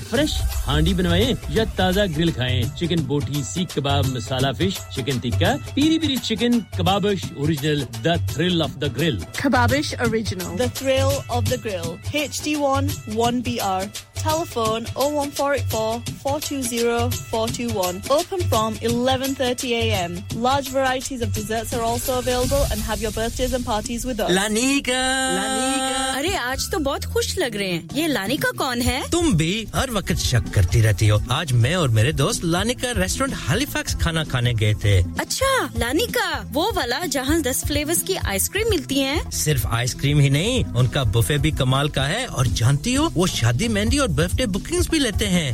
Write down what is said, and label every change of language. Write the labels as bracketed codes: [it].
[hi] Fresh हांडी बनवाएं या ताजा ग्रिल खाएं। चिकन बोटी सीख कबाब मसाला fish chicken tikka Piri Piri chicken Kababish [en] Original the thrill of the grill Kababish original the thrill of the grill HD1 1BR telephone 01484420421 open from 11:30 a.m. large varieties of desserts are also available and have your birthdays and parties with us Lanika [hi] अरे आज तो बहुत खुश लग रहे हैं ये Lanika कौन है तुम भी हर वक्त शक करती रहती हो आज मैं और मेरे दोस्त Lanika रेस्टोरेंट हैलिफैक्स खाना खाने गए थे अच्छा Lanika वो वाला जहां 10 फ्लेवर्स की आइसक्रीम मिलती है सिर्फ आइसक्रीम ही नहीं उनका बुफे भी कमाल का है और जानती हो वो शादी मेहंदी और बर्थडे बुकिंग्स भी लेते हैं